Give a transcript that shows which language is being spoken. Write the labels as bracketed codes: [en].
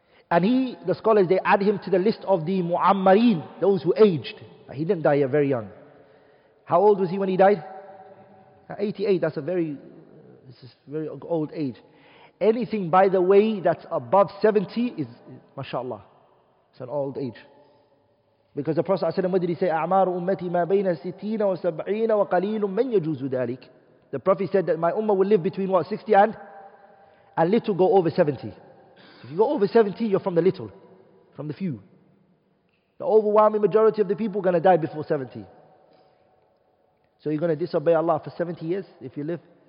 [en] And the scholars, they add him to the list of the Mu'ammarin, those who aged. He didn't die very young. How old was he when he died? 88, that's a very old age. Anything, by the way, that's above 70 is, mashallah, it's an old age. Because the Prophet ﷺ, what did he say? [ar] أعمار أمتي ما بين ستين وسبعين وقليل من يجوز ذلك. [en] The Prophet said that my ummah will live between what, 60 and little go over 70. If you go over 70, you're from the little, from the few. The overwhelming majority of the people are going to die before 70. So you're going to disobey Allah for 70 years if you live?